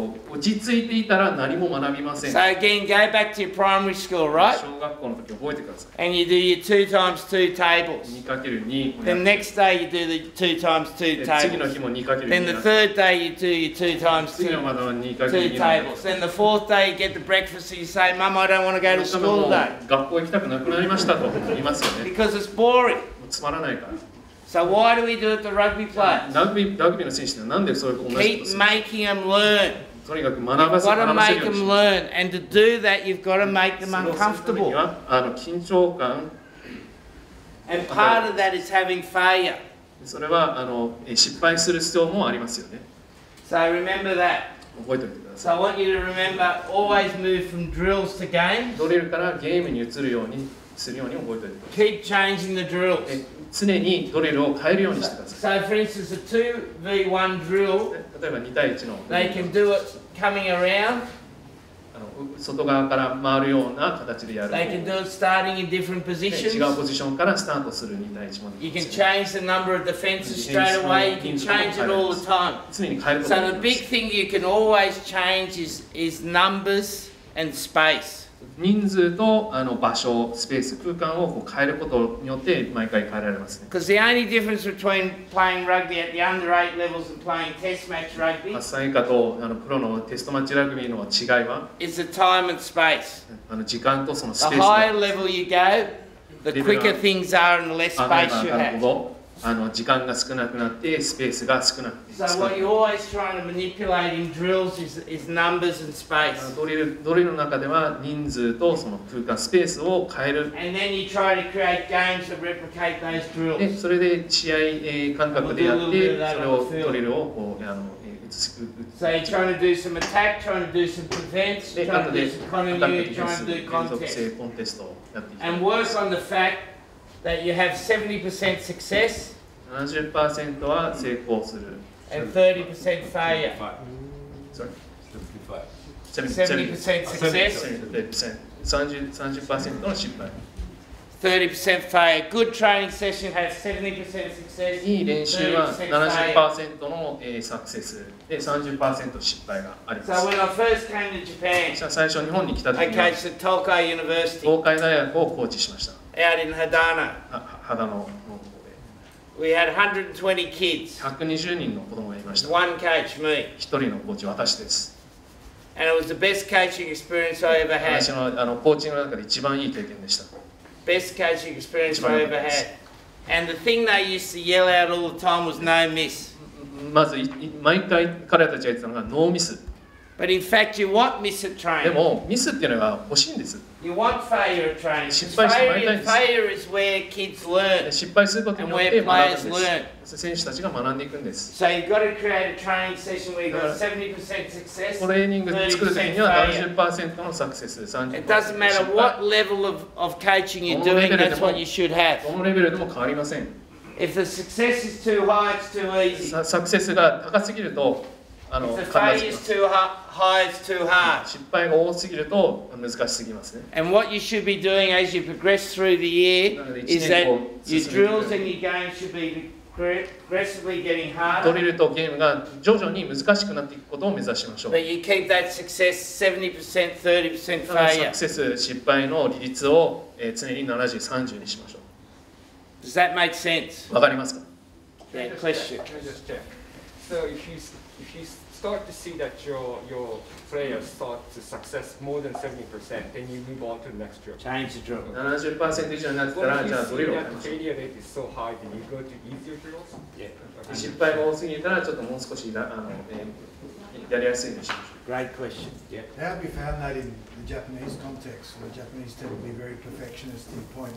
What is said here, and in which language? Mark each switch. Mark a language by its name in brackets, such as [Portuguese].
[Japanese] 落ち着いていたら何も学びません。 [English] So again, go back to your primary school, right? [Japanese] 小学校の時覚えてください。 [English] And you do your 2x2 tables. [Japanese] 2×2。 [English] Then next day you do the 2x2 tables. [Japanese] 次の日も 2×2。 [English] Then the third day you do your 2x2 tables. [Japanese] 次の日も [English] 2×2 tables. Then the fourth day you get the breakfast and you say, Mom, I don't want to go to school today. [Japanese] 学校行きたくなくなりましたと言いますよね。 [English] Because it's boring. [Japanese] つまらないから。 [English] So why do we do it to rugby players? [Japanese] ラグビーの選手ってなんでそれを同じことするの? [English] Keep making them learn. [Japanese] とにかく学ばせ、 [English] You've got to make them learn. And to do that, you've got to make them uncomfortable. [Japanese] それをするためには、緊張感。 [English] And part of that is having failure. [Japanese] それは、失敗する必要もありますよね。 [English] So remember that. [Japanese] 覚えておいてください。 [English] So I want you to remember, always move from drills to games. [Japanese] ドリルからゲームに移るようにするように覚えておいてください。 [English] Keep changing the drills. [Japanese] 常にドリルを変えるようにしてください。 [English] So, for instance, a 2v1 drill, [Japanese] 例えば2対1の [English] they can do it coming around. [Japanese] 外側から回るような形でやる。 [English] They can do it starting in different positions. [Japanese] 違うポジションからスタートする2対1もできます。 [English] You can change the number of defenses straight away. You can change it all the time. [Japanese] 常に変えることができます。 [English] So the big thing you can always change is numbers and space. [Japanese] 人数と場所、スペース、空間を変えることによって毎回変えられますね。 [English] Because the only difference between playing rugby at the under 8 levels and playing test match rugby [Japanese] 8歳以下とプロのテストマッチラグビーの違いは [English] is the time and space. [Japanese] 時間とそのスペース。 [English] The higher level you go, the quicker things are and the less space you have. [Japanese] 時間が少なくなってスペースが少なくなる。 [English] So what you're always trying to manipulate in drills is numbers and space. [Japanese] ドリルの中では人数とその空間、スペースを変える。 [English] And then you try to create games that replicate those drills. [Japanese] で、それで試合感覚でやって、それをドリルをこう、 [English] So you're trying to do some attack, trying to do some defense, trying to do some continuity, trying to do contest. [Japanese] 連続性コンテストをやっていく。 [English] And work on the fact. That you have 70% success, [Japanese] 70% は成功する。 [English] And 30% failure. Sorry. 70% success. [Japanese] 30% の失敗。 [English] 30% failure. Good training session has 70% success. [Japanese] いい練習は 70% のサクセスで 30% 失敗があります。 [English] So when I first came to Japan, [Japanese] 最初日本に来た時は、 [English] I coached at Tokai University. [Japanese] 東海大学をコーチしました。 [English] Out in Hadana. Hadano. We had 120 kids. 120 [Japanese] 人の子供がいました。 [English] One coach, me. 一 [Japanese] 人のコーチ、私です。 [English] And it was the best coaching experience I ever had. [Japanese] 私の、コーチの中で一番いい経験でした。 [English] Best coaching experience I ever had. And the thing they used to yell out all the time was no miss. [Japanese] まず、毎回彼たちが言ってたのがノーミス。 [English] But in fact, you want miss at training. [Japanese] でもミスっていうのが欲しいんです。 [English] You want failure at training. [Japanese] 失敗してもらいたいんです。 [English] Failure is where kids learn. [Japanese] 失敗することによって学ぶんです。 [English] And where players learn. [Japanese] 選手たちが学んでいくんです。 [English] So you've got to create a training session where you've got 70% success. [Japanese] トレーニング作るときには 70% のサクセス、30%。 [English] It doesn't matter what level of coaching you're doing. That's what you should have. [Japanese] どのレベルでも変わりません。 [English] If the success is too high, it's too easy. [Japanese] サクセスが高すぎると。失敗が多すぎると難しすぎますね。 [English] And what you should be doing as you progress through the year is that your drills and your games should be progressively getting harder. [Japanese] ドリルとゲームが徐々に難しくなっていくことを目指しましょう。 [English] But you keep that success 70%, 30% failure. [Japanese] サクセス失敗の比率を常に 70-30 にしましょう。 [English] Does that make sense? [Japanese] わかりますか? [English] Yeah, question. Can I just check? So if you start to see that your players start to success more than 70%, then you move on to the next drill. Change the drill. [Japanese] 70% 以上になったら、じゃあどれを変えましょう。 [English] Failure rate is so high, then you go to easier drills? Yeah. [Japanese] 失敗が多すぎたら、ちょっともう少しやりやすいようにしましょう。 [English] Great question. Yeah. How have you found that in the Japanese context, where Japanese tend to be very perfectionist in point